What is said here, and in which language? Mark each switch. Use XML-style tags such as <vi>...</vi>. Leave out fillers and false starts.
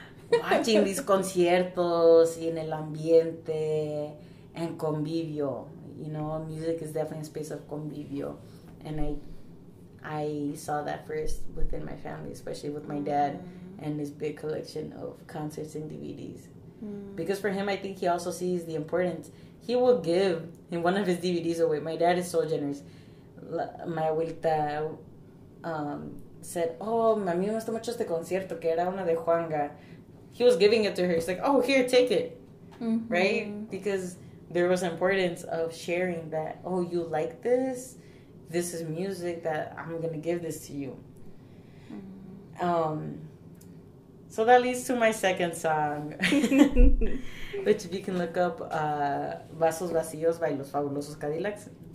<en>Watching these</en> <es>conciertos y en el ambiente</es> <en>and convivio, you know, music is definitely a space of convivio. And I saw that first within my family, especially with my dad and his big collection of concerts and DVDs. Because for him, I think he also sees the importance. He will give in one of his DVDs away. My dad is so generous. My abuelita said,</en> <es>oh, a mí me gusta mucho este concierto que era una de Juanga.</es> <en>He was giving it to her. He's like, oh, here, take it. Mm-hmm. Right? Because there was importance of sharing that, oh, you like this? This is music that I'm going to give this to you. Mm-hmm. So that leads to my second song, which if you can look up, Vasos Vacíos by Los Fabulosos Cadillacs.</en>